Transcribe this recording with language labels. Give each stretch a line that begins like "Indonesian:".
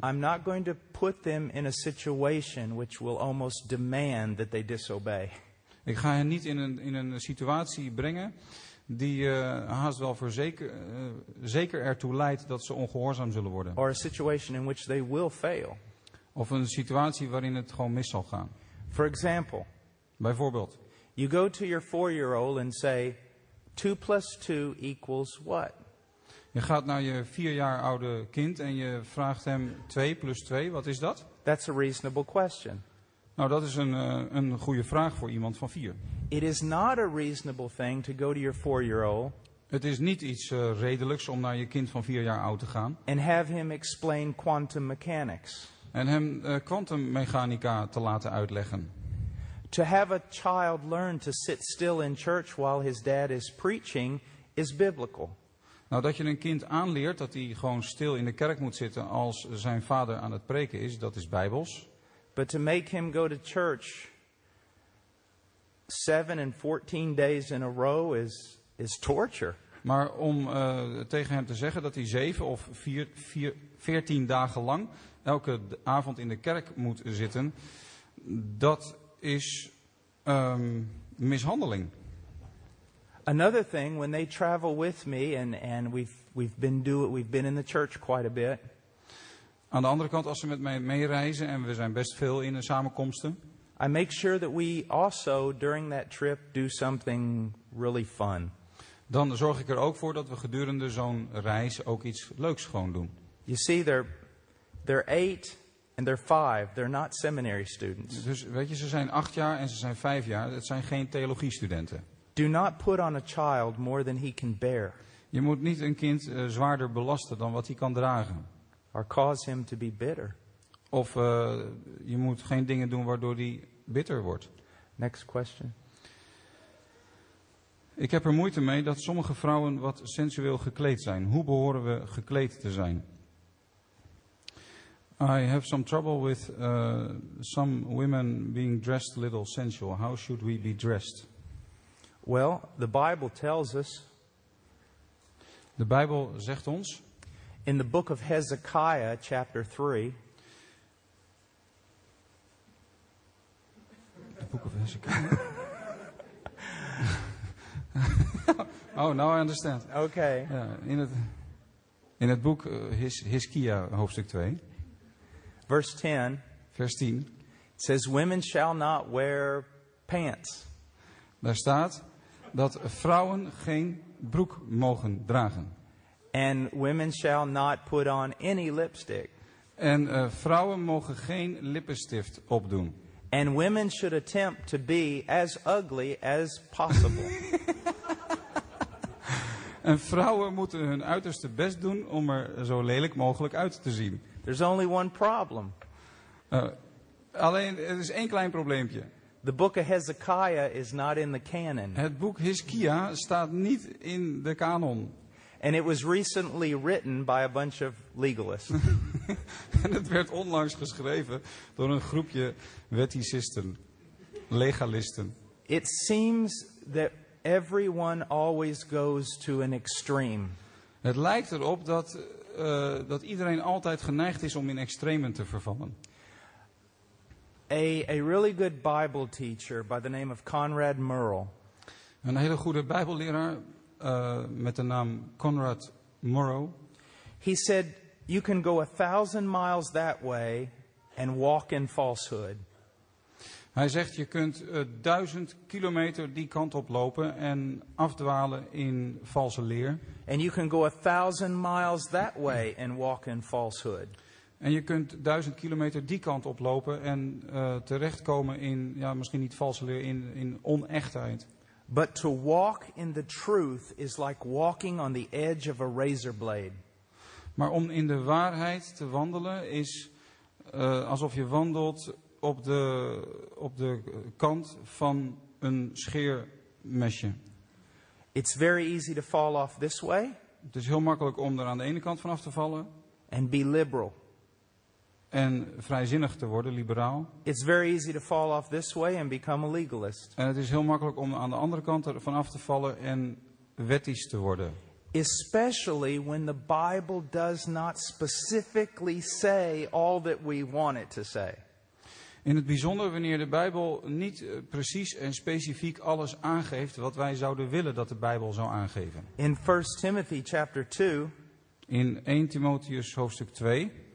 English: I'm not going to put them in a situation which will almost demand that they disobey.
Dutch: Ik ga hen niet in een situatie brengen die haast wel voor zeker ertoe leidt dat ze ongehoorzaam zullen worden.
English: Or a situation in which they will fail.
Dutch: Of een situatie waarin het gewoon mis zal gaan.
English: For example.
Dutch: Bijvoorbeeld.
English: You go to your 4-year-old and say, 2 plus 2 equals what?
Dutch: Je gaat naar je 4 jaar oude kind en je vraagt hem 2 plus 2, wat is dat?
English: That's a reasonable question.
Dutch: Nou, dat is een goede vraag voor iemand van 4.
English: It is not a reasonable thing to go to your 4-year-old.
Dutch: Het is niet iets redelijks om naar je kind van 4 jaar oud te gaan.
English: And have him explain quantum mechanics.
Dutch: En hem kwantummechanica te laten uitleggen.
English: To have a child learn to sit still in church while his dad is preaching is biblical.
Dutch: Nou, dat je een kind aanleert dat hij gewoon stil in de kerk moet zitten als zijn vader aan het preken is, dat is bijbels.
English: But to make him go to church 7 and 14 days in a row is torture.
Dutch: Maar om tegen hem te zeggen dat hij 7 of 14 dagen lang elke avond in de kerk moet zitten, dat is mishandeling.
English: Another thing, when they travel with me and we've been in the church quite a bit.
Dutch: Aan de andere kant, als ze met mij meereizen en we zijn best veel in de samenkomsten.
English: I make sure that we also during that trip do something really fun.
Dutch: Dan zorg ik er ook voor dat we gedurende zo'n reis ook iets leuks gewoon doen.
English: You see, they're 8. And they're 5. They're not seminary students.
Dutch: Dus weet je, ze zijn 8 jaar en ze zijn 5 jaar. Het zijn geen theologiestudenten.
English: Do not put on a child more than he can bear.
Dutch: Je moet niet een kind zwaarder belasten dan wat hij kan dragen.
English: Or cause him to be bitter.
Dutch: Of je moet geen dingen doen waardoor hij bitter wordt.
English: Next question.
Dutch: Ik heb er moeite mee dat sommige vrouwen wat sensueel gekleed zijn. Hoe behoren we gekleed te zijn?
English: I have some trouble with some women being dressed a little sensual. How should we be dressed? Well, the Bible tells us.
Dutch: De Bijbel zegt ons.
English: In the book of Hezekiah, chapter 3. The book of Hezekiah. Oh, now I understand. Okay.
Dutch: In het boek Hezekiah, hoofdstuk 2.
English: Verse 10 says, women shall not wear pants.
Dutch: Daar staat dat vrouwen geen broek mogen dragen.
English: And women shall not put on any lipstick.
Dutch: En vrouwen mogen geen lippenstift opdoen.
English: And women should attempt to be as ugly as possible.
Dutch: En vrouwen moeten hun uiterste best doen om er zo lelijk mogelijk uit te zien.
English: There's only one problem.
Dutch: Alleen, er is één klein probleempje.
English: The book of Hezekiah is not in the canon.
Dutch: Het boek Hezekiah staat niet in de kanon.
English: And it was recently written by a bunch of legalists.
Dutch: En het werd onlangs geschreven door een groepje wetticisten, legalisten.
English: It seems that everyone always goes to an extreme.
Dutch: Het lijkt erop dat dat iedereen altijd geneigd is om in extremen te vervallen.
English: A really good Bible teacher by the name of Conrad Murrell.
Dutch: Een hele goede Bijbelleraar met de naam Conrad Murrow.
English: He said, "You can go 1,000 miles that way and walk in falsehood."
Dutch: Hij zegt, je kunt 1,000 kilometer die kant op lopen en afdwalen in valse leer.
English: And you can go 1,000 miles that way and walk in falsehood.
Dutch: En je kunt 1,000 kilometer die kant op lopen en terechtkomen in, ja, misschien niet valse leer, in onechtheid.
English: But to walk in the truth is like walking on the edge of a razor blade.
Dutch: Maar om in de waarheid te wandelen is alsof je wandelt op de kant van een scheermesje.
English: It's very easy to fall off this way.
Dutch: Het is heel makkelijk om er aan de ene kant vanaf te vallen.
English: And be liberal.
Dutch: En vrijzinnig te worden, liberaal.
English: It's very easy to fall off this way and become a legalist.
Dutch: En het is heel makkelijk om aan de andere kant er vanaf te vallen en wettisch te worden.
English: Especially when the Bible does not specifically say all that we want it to say.
Dutch: In het bijzonder wanneer de Bijbel niet precies en specifiek alles aangeeft wat wij zouden willen dat de Bijbel zou aangeven.
English: In 1 Timothy chapter 2,
Dutch: in 1 Timotheus hoofdstuk 2,